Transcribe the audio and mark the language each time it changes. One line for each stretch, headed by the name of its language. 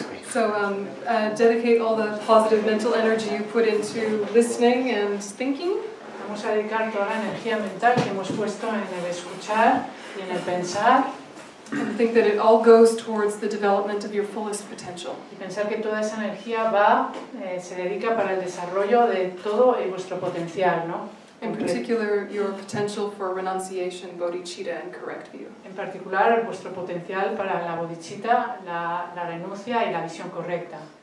English: So dedicate all the positive mental energy you put into listening and thinking.
Spanish: Vamos a dedicar toda la energía mental que hemos puesto en el escuchar y en el pensar.
English: And think that it all goes towards the development of your fullest potential.
Spanish: Y pensar que toda esa energía va se dedica para el desarrollo de todo y vuestro potencial, ¿no?
English: In particular, your potential for renunciation, bodhicitta, and correct view.
Spanish: En particular, vuestro potencial para la bodhicitta, la renuncia y la visión correcta.